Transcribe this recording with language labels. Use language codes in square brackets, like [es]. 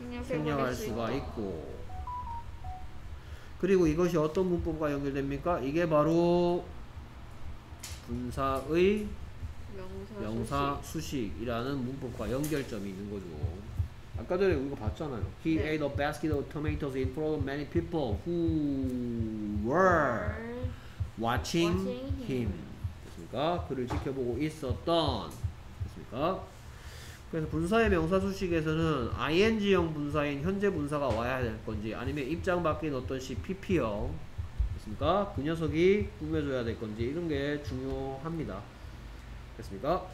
[ko] 생략할 수가 있고. 그리고 이것이 어떤 문법과 연결됩니까? 이게 바로 분사의 명사 수식이라는 문법과 연결점이 있는 거죠. 아까 전에 우리가 봤잖아요. [en] He [ko] 네. [en] ate a basket of tomatoes in front of many people who were watching him. [ko] 됐습니까? 그를 지켜보고 있었던. 됐습니까? 그래서 분사의 명사 수식에서는 ing형 분사인 현재 분사가 와야 될 건지 아니면 입장 바뀐 어떤 시 pp형 됐습니까? 그 녀석이 꾸며줘야 될 건지 이런 게 중요합니다. 됐습니까?